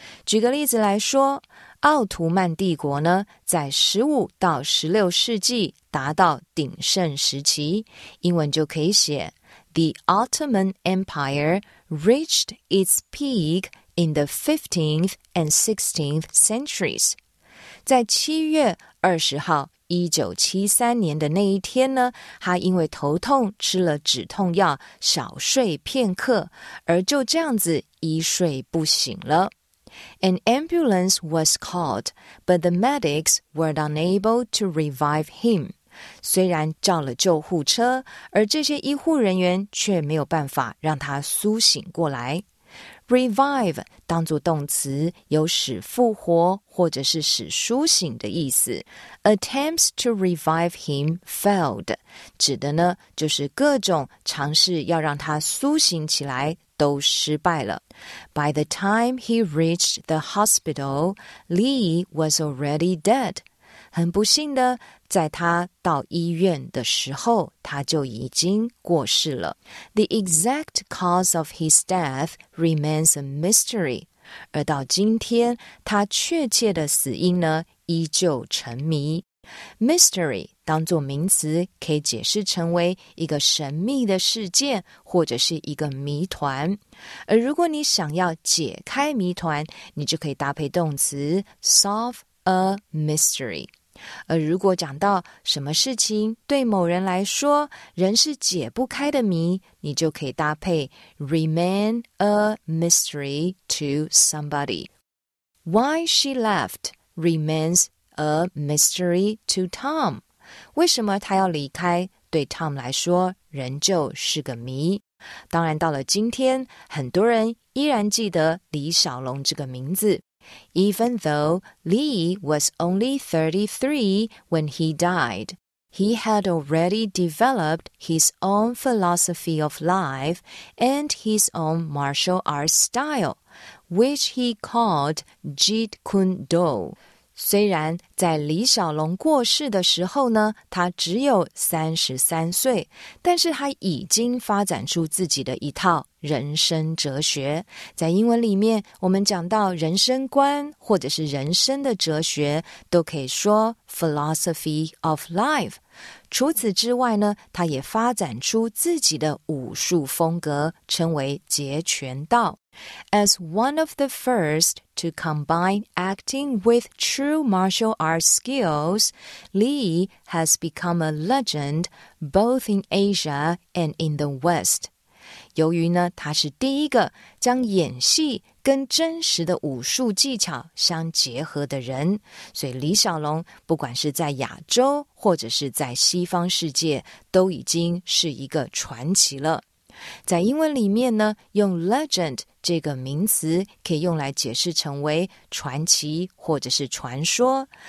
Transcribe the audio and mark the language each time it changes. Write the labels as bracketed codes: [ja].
[zh] 举个例子来说，奥图曼帝国呢在15到16世纪达到鼎盛时期，英文就可以写 [en] The Ottoman Empire reached its peak in the 15th and 16th centuries. [zh] 在7月20号1973年的那一天呢，他因为头痛吃了止痛药小睡片刻，而就这样子一睡不醒了。 [en] An ambulance was called, but the medics were unable to revive him. [zh] 虽然叫了救护车，而这些医护人员却没有办法让他苏醒过来。 Revive 当作动词，有使复活或者是使苏醒的意思。 [en] Attempts to revive him failed, [zh] 指的呢，就是各种尝试要让他苏醒起来都失败了。 [en] By the time he reached the hospital, Lee was already dead. [zh] 很不幸的，在他到医院的时候，他就已经过世了。 [en] The exact cause of his death remains a mystery. [zh] 而到今天，他确切的死因呢，依旧成谜。 Mystery 当作名词可以解释成为一个神秘的事件或者是一个谜团，而如果你想要解开谜团，你就可以搭配动词 solve a mystery。而如果讲到什么事情对某人来说仍是解不开的谜，你就可以搭配 remain a mystery to somebody。 [en] Why she left remains a mystery to Tom. [zh] 为什么他要离开，对 Tom 来说仍旧是个谜。当然到了今天，很多人依然记得李小龙这个名字。 [en] Even though Lee was only 33 when he died, he had already developed his own philosophy of life and his own martial arts style, which he called Jeet Kune Do. [zh] 虽然在李小龙过世的时候呢，他只有33岁，但是他已经发展出自己的一套人生哲学。在英文里面，我们讲到人生观或者是人生的哲学，都可以说 philosophy of life。除此之外呢，他也发展出自己的武术风格，称为截拳道。 [en] As one of the first to combine acting with true martial arts skills, Lee has become a legend both in Asia and in the West. [zh] 由于呢，他是第一个将演戏跟真实的武术技巧相结合的人，所以李小龙不管是在亚洲或者是在西方世界，都已经是一个传奇了。在英文里面呢，用 legend 这个名词可以用来解释成为传奇或者是传说。